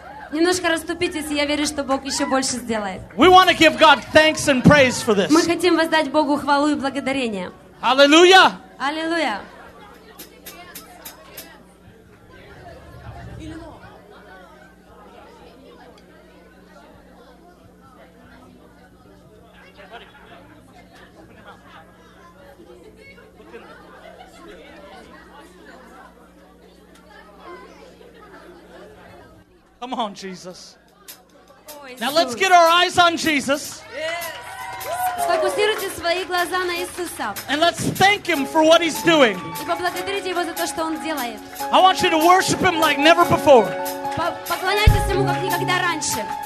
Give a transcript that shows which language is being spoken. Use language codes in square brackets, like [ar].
[ru] Немножко расступитесь, я верю, что Бог еще больше сделает. [en] We want to give God thanks and praise for this. [ru] Мы хотим воздать Богу хвалу и благодарение. Аллилуйя. Аллилуйя. [en] Come on, Jesus. Now let's get our eyes on Jesus. [ru] Сфокусируйте свои глаза на Иисуса. [en] And let's thank Him for what He's doing. [ru] И поблагодарите Его за то, что Он делает. [en] I want you to worship Him like never before. [ru] Поклоняйтесь Ему как никогда раньше.